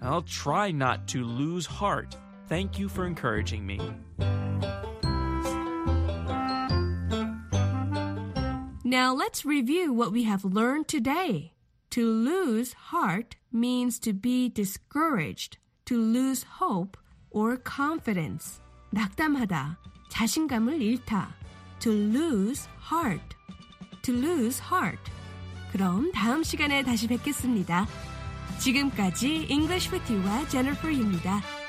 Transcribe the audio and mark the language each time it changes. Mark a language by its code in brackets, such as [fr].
[en] I'll try not to lose heart. Thank you for encouraging me. Now let's review what we have learned today. To lose heart means to be discouraged, to lose hope or confidence. [ko] 낙담하다, 자신감을 잃다. [en] To lose heart. To lose heart. [ko] 그럼 다음 시간에 다시 뵙겠습니다. 지금까지 English with You와 Jennifer입니다.